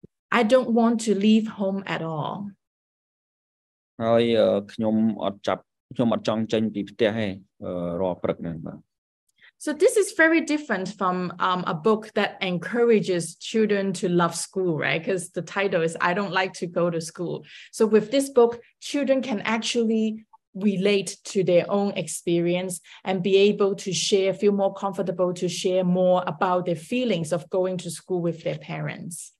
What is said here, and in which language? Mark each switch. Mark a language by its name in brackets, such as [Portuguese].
[English] I don't want to leave home at all [Khmer] ហើយខ្ញុំអត់ចាប់ខ្ញុំអត់ចង់ចេញពីផ្ទះឯងរាល់ព្រឹកហ្នឹងបាទ [English] So this is very different from a book that encourages children to love school, right? Because the title is I Don't Like to Go to School. So with this book, children can actually relate to their own experience and be able to share, feel more comfortable to share more about their feelings of going to school with their parents.